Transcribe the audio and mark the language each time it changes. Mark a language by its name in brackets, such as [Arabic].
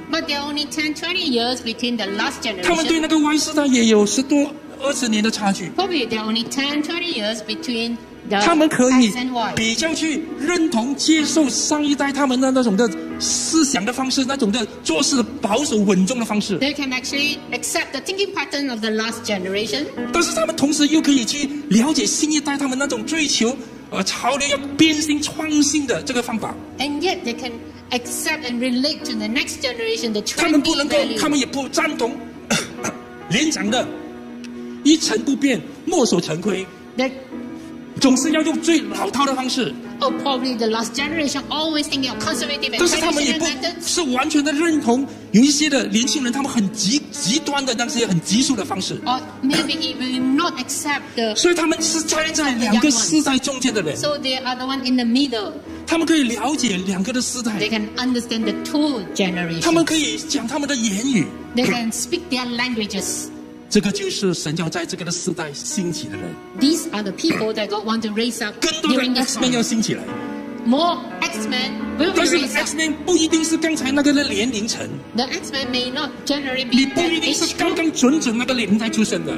[English] But there are only 10-20 years between the last generation [Chinese] 他们对那个 Y 世代也有十多二十年的差距 [English] Probably there are only 10-20 years between the X and Y [Chinese] 他们可以比较去认同接受上一代他们的那种的思想的方式那种的做事保守稳重的方式 [English] They can actually accept the thinking pattern of the last generation [Chinese] 但是他们同时又可以去了解新一代他们那种追求潮流要变新创新的这个方法 [English] And yet they canaccept and relate to the next generation the trendy [Chinese] 他们不能够他们也不赞同年长的一成不变墨守成规 [English] that [Chinese] 总是要用最老套的方式 [English] or probably the last generation always thinking of conservative and traditional methods. [Chinese] 但是他们也不是完全的认同有一些的年轻人他们很极端的那些很极速的方式。 [English] Or maybe even not accept the. [Chinese] 所以他们是站在两个世代中间的人。 [English] So they are the one in the middle. [Chinese] 他们可以了解两个的世代。 [English] They can understand the two generations. [Chinese] 他们可以讲他们的言语。 [English] They can speak their languages. [Chinese] 这个就是神要在这个的世代兴起的人。 [English] These are the people that God want to raise up. [Chinese] 更多的 X-Men 要兴起来。 [English] More X-Men will be raised up. [Chinese] 但是 X-Men 不一定是刚才那个的年龄层。 [English] The X-Men may not generally be the age group. [Chinese] 你不一定是刚刚准准那个年代出生的。